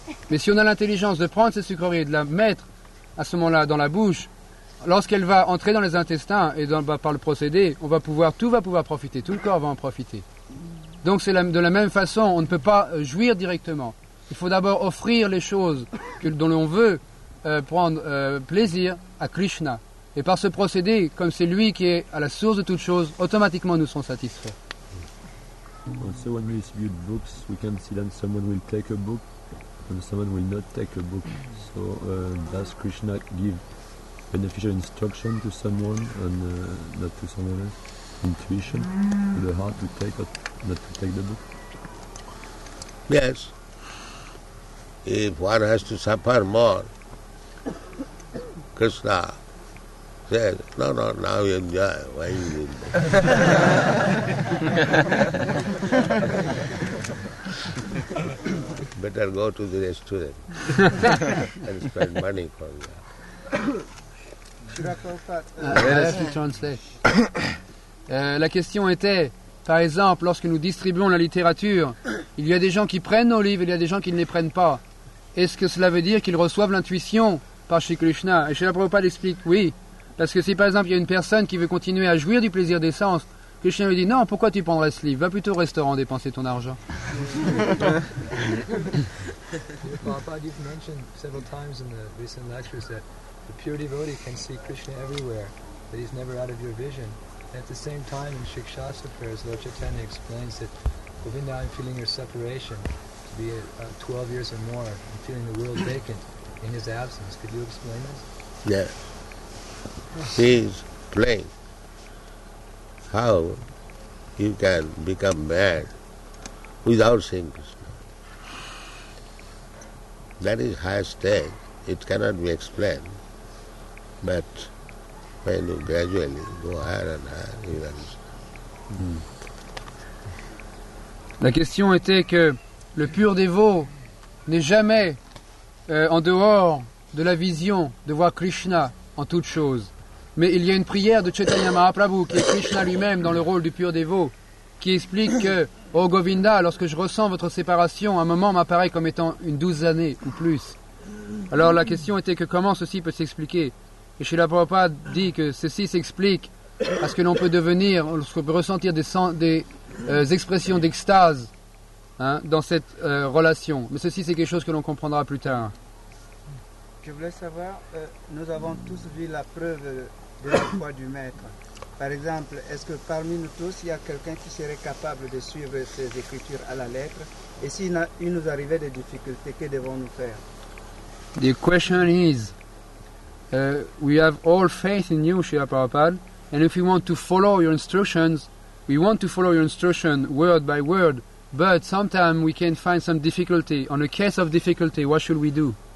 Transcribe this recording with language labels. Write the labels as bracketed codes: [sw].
[fr] Mais si on a l'intelligence de prendre cette sucrerie et de la mettre à ce moment-là dans la bouche, lorsqu'elle va entrer dans les intestins et par le procédé, tout va pouvoir profiter, tout le corps va en profiter. Donc c'est de la même façon, on ne peut pas jouir directement. Il faut d'abord offrir les choses dont l'on veut prendre plaisir à Krishna. Et par ce procédé, comme c'est lui qui est à la source de toutes choses, automatiquement nous serons satisfaits. [en] Also, when we distribute books, we can see that someone will take a book and someone will not take a book. So, does Krishna give beneficial instruction to someone and not to someone else? Intuition, to the heart to take or not to take the book? Yes. If one has to suffer more, Krishna says, no, no, now you enjoy. Why you doing that? Better go to the restaurant and spend money for that. [fr] La question était, par exemple, lorsque nous distribuons la littérature, il y a des gens qui prennent nos livres, il y a des gens qui ne les prennent pas. Est-ce que cela veut dire qu'ils reçoivent l'intuition par Shri Krishna? Et Srila Prabhupada explique oui. Parce que si par exemple il y a une personne qui veut continuer à jouir du plaisir des sens, Krishna lui dit non, pourquoi tu prendrais ce livre? Va plutôt au restaurant dépenser ton argent. [en] Prabhupada, you've mentioned several times in the recent lectures that the pure devotee can see Krishna everywhere, that he's never out of your vision. At the same time, in Shikshastra prayers, Lord Chaitanya explains that Govinda, I'm feeling your separation to be 12 years or more, I'm feeling the world vacant. In his absence, could you explain this? Yes. He is playing. How you can become mad without seeing Krishna? That is high stage. It cannot be explained. But when you gradually go higher and higher, you understand. [fr] La question était que le pur dévot n'est jamais en dehors de la vision de voir Krishna en toutes choses. Mais il y a une prière de Chaitanya Mahaprabhu, qui est Krishna lui-même dans le rôle du pur dévot, qui explique que, « Oh Govinda, lorsque je ressens votre séparation, un moment m'apparaît comme étant une 12 années ou plus. » Alors la question était que comment ceci peut s'expliquer. Et Srila Prabhupada dit que ceci s'explique à ce que l'on peut devenir, lorsqu'on peut ressentir des expressions d'extase, dans cette relation. Mais ceci, c'est quelque chose que l'on comprendra plus tard. Je voulais savoir, nous avons tous vu la preuve de la foi du maître. Par exemple, est-ce que parmi nous tous, il y a quelqu'un qui serait capable de suivre ses écritures à la lettre? Et s'il nous arrivait des difficultés, que devons-nous faire? [en] The question is, we have all faith in you, Srila Prabhupada, and if we want to follow your instructions, we want to follow your instruction word by word, but sometimes we can find some difficulty. On a case of difficulty, what should we do?